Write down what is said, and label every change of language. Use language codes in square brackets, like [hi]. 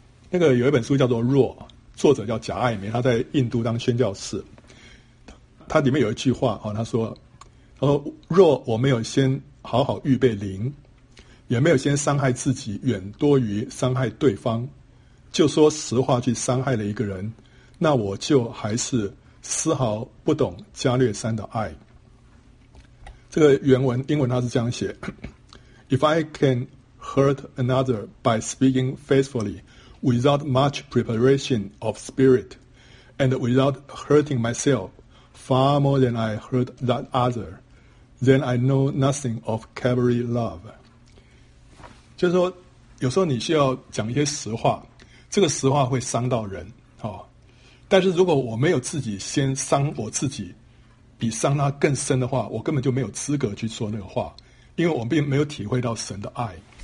[zh] 那个有一本书叫做《弱》，作者叫贾爱梅，他在印度当宣教士，他里面有一句话，他说若我没有先好好预备灵，也没有先伤害自己远多于伤害对方，就说实话去伤害了一个人，那我就还是丝毫不懂加略山的爱。这个原文英文他是这样写， [en] If I can hurt another by speaking faithfully without much preparation of spirit and without hurting myselfFar more than I hurt that other, then I know nothing of Calvary love. [zh] 就是说，有时候你需要讲一些实话，这个实话会伤到人，但是如果我没有自己先伤我自己，比伤他更深的话，我根本就没有资格去说那个话，因为我并没有体会到神的爱。